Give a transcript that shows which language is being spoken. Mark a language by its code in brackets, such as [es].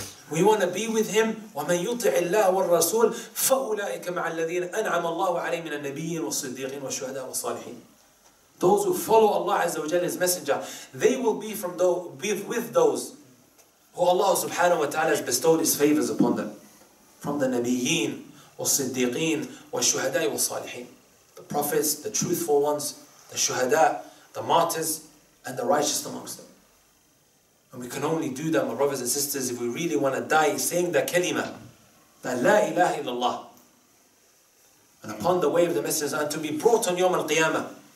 [en] We want to be with him. [ar] وَمَنْ يُطِعِ اللَّهَ وَالرَّسُولِ فَأُولَٰئِكَ مَعَ الَّذِينَ أَنْعَمَ اللَّهُ عَلَيْهِ مِنَ النَّبِيِّينَ وَالصِّدِّيقِينَ وَالشُّهَدَاءَ وَالصَّالِحِينَ. [en] Those who follow Allah Azza wa Jalla's Messenger, they will be from with those who Allah subhanahu wa ta'ala has bestowed His favors upon them. From the [ar] نبيين والصديقين والشهداء والصالحين. [en] The prophets, the truthful ones, the shuhada, the martyrs, and the righteous amongst them. And we can only do that, my brothers and sisters, if we really want to die saying that kalima, that la ilaha illallah, and upon the way of the Messenger, and to be brought on Yawm al-Qiyamah.